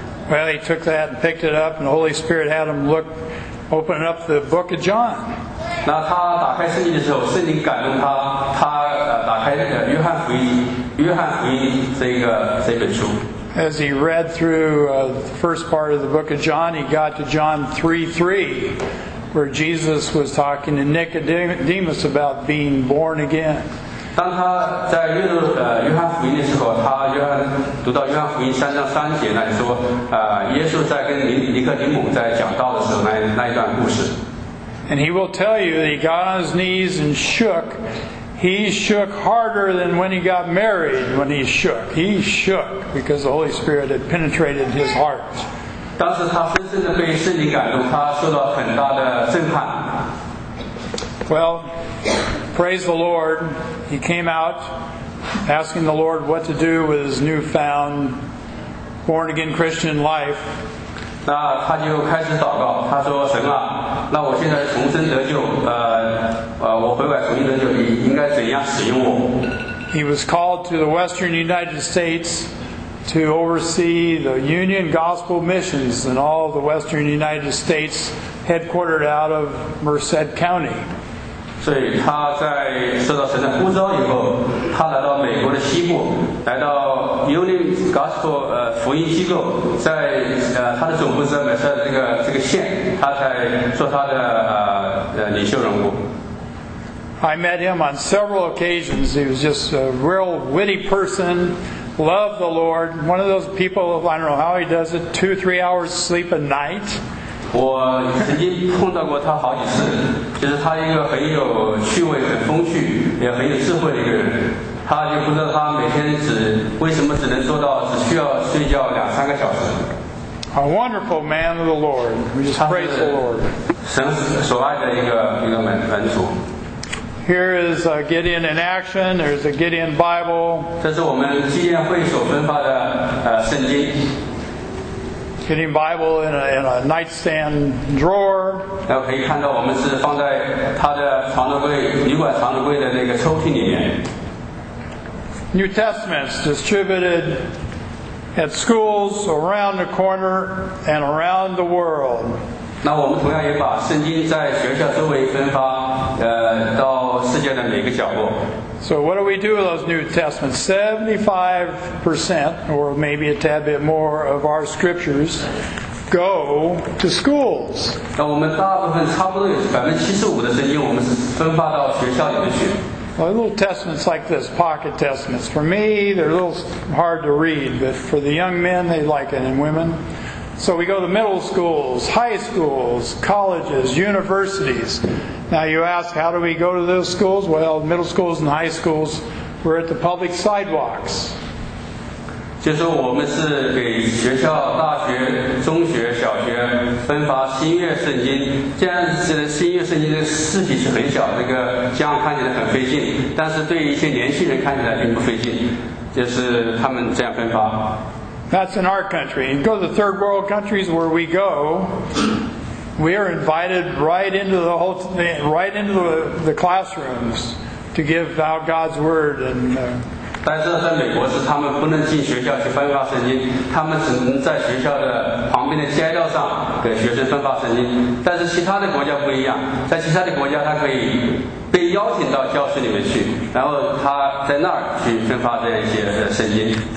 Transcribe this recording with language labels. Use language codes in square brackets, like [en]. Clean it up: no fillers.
[en] Well, he took that and picked it up, and the Holy Spirit had him look. Open up the book of John. [zh] 那他打开圣经的时候，圣灵感动他，他打开那个约翰福音这本书。 [en] As he read through the first part of the book of John, he got to John 3:3, where Jesus was talking to Nicodemus about being born again. [zh] 当他在阅读约翰福音的时候，他约翰读到约翰福音3:3那里说，耶稣在跟尼克底姆在讲道的时候那一段故事。 [en] And he will tell you that he got on his knees and shook. He shook harder than when he got married. When he shook, he shook because the Holy Spirit had penetrated his heart. [zh] 当时他深深的被圣灵感动，他受到很大的震撼。 [en] Well. Praise the Lord, he came out asking the Lord what to do with his newfound born-again Christian life. [zh] 那他就开始祷告，他说神啊，那我现在重生得救，我悔改重新得救，你应该怎样使用我？ [en] He was called to the Western United States to oversee the Union Gospel Missions in all the Western United States headquartered out of Merced County. [zh] 所以他在受到神的呼召以后，他来到美国的西部，来到 Union Gospel 福音机构，在他的总部是在美塞这个县，他才做他的领袖人物。 [en] I met him on several occasions. He was just a real witty person, loved the Lord. One of those people, I don't know how he does it, 2-3 hours sleep a night. [zh] 我曾经碰到过他好几次，就是他一个很有趣味、很风趣、也很有智慧的一个人。他就不知道他每天只为什么只能做到只需要睡觉两三个小时。 [en] A wonderful man of the Lord. We just praise the Lord. [zh] 神所爱的一个门徒。 [en] Here is a Gideon in action. There's a Gideon Bible. [zh] 这是我们纪念会所分发的圣经。 [en] Gideon Bible in a nightstand drawer. [zh] 然后可以看到我们是放在他的床头柜，旅馆床头柜的那个抽屉里面。 [en] New Testaments distributed at schools around the corner and around the world. [zh] 那我们同样也把圣经在学校周围分发，到世界的每个角落。 [en] So what do we do with those New Testaments? 75%, or maybe a tad bit more, of our scriptures go to schools. [zh] 那我们大部分差不多有75%的圣经，我们是分发到学校里面去。 [en] Well, little testaments like this, pocket testaments. For me, they're a little hard to read, but for the young men, they like it, and women. So we go to middle schools, high schools, colleges, universities. Now you ask, how do we go to those schools? Well, middle schools and high schools, we're at the public sidewalks. [zh] 就是我们是给学校、大学、中学、小学分发新约圣经。这样子的新约圣经的字体是很小，那个这样看起来很费劲，但是对于一些年轻人看起来并不费劲，就是他们这样分发。 [en] That's in our country. You go to the third world countries where we go, we are invited right into the classrooms to give out God's word and. [zh] 但是在美国是他们不能进学校去分发圣经，他们只能在学校的旁边的街道上给学生分发圣经。但是其他的国家不一样，在其他的国家他可以被邀请到教室里面去，然后他在那儿去分发这些圣经。